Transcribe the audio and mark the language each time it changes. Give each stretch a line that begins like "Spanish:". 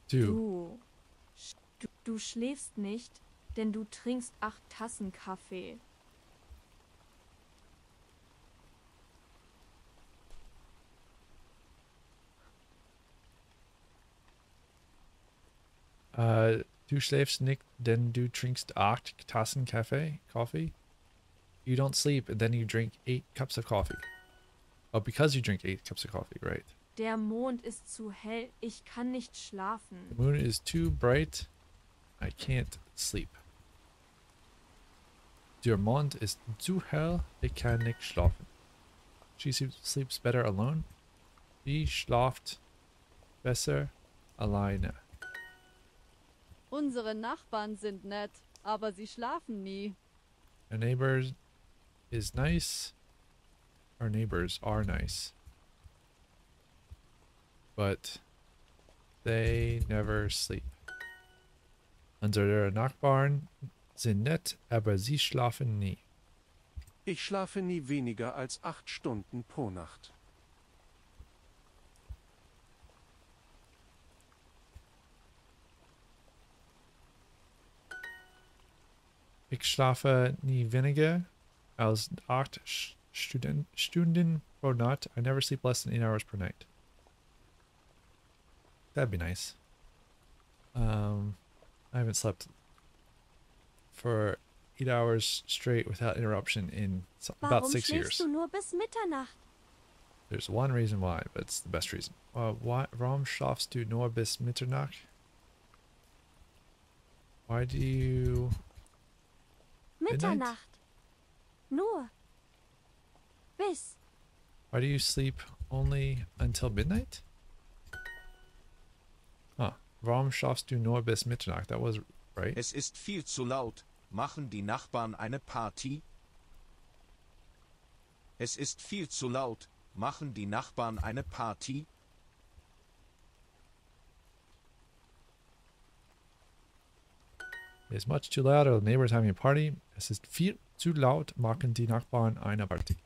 German: Du schläfst nicht, denn du trinkst 8 Tassen Kaffee. Du schläfst nicht, denn du trinkst 8 Tassen Kaffee.
English: You don't sleep, and then you drink 8 cups of coffee. Oh, because you drink 8 cups of coffee, right.
German: Der Mond ist zu hell, ich kann nicht schlafen.
English: The moon is too bright, I can't sleep.
German: Der Mond ist zu hell, ich kann nicht schlafen.
English: She sleeps better alone.
German: Sie schlaft besser alleine. Unsere Nachbarn sind nett, aber sie schlafen nie.
English: Our neighbor is nice. Our neighbors are nice. But they never sleep.
German: Unsere Nachbarn sind nett, aber sie schlafen nie. Ich schlafe nie weniger als 8 Stunden pro Nacht. Ich schlafe nie weniger als 8 Stunden pro Nacht.
English: I never sleep less than 8 hours per night. That'd be nice. I haven't slept for 8 hours straight without interruption in about 6 years.
German: Warum schläfst du nur bis Mitternacht?
English: There's one reason why, but it's the best reason.
German: Warum schläfst du nur bis Mitternacht?
English: Why do you...
German: Mitternacht. Nur. Bis.
English: Why do you sleep only until midnight?
German: Huh. Warum schaffst du nur bis Mitternacht?
English: That was right.
German: Es ist viel zu laut. Machen die Nachbarn eine Party? Es ist viel zu laut. Machen die Nachbarn eine Party?
English: It's much too loud, or the neighbors having a party.
German: Es ist viel zu laut, machen die Nachbarn eine Party.